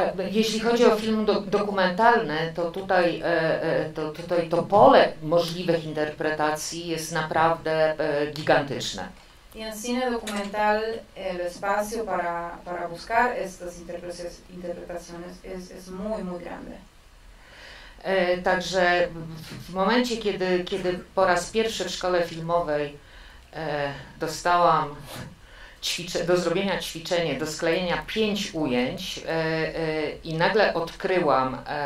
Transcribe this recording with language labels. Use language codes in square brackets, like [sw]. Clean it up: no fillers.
[pl] Jeśli chodzi o film dokumentalny, to tutaj to pole możliwych interpretacji jest naprawdę gigantyczne. [es] I en cine documental el espacio para buscar estas interpretaciones es muy muy grande. [pl] Także w momencie kiedy po raz pierwszy w szkole filmowej dostałam do zrobienia ćwiczenie, do sklejenia 5 ujęć i nagle odkryłam,